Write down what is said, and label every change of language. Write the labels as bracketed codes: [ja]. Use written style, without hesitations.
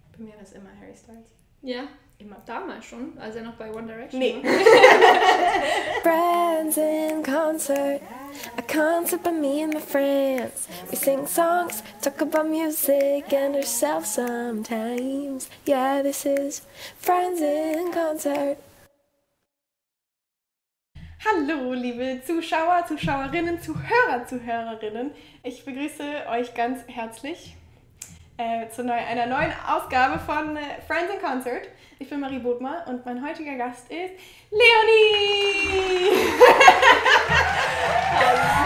[de] Bei mir war es immer Harry Styles. Ja, immer. Damals schon, als er noch bei One Direction nee. War. [en] Friends in concert. A concert by me and my friends. We sing songs, talk about music and ourselves sometimes. Yeah, this is Friends in concert. [de] Hallo, liebe Zuschauer, Zuschauerinnen, Zuhörer, Zuhörerinnen. Ich begrüße euch ganz herzlich einer neuen Ausgabe von Friends in Concert. Ich bin Marie Bodmer und mein heutiger Gast ist Leony!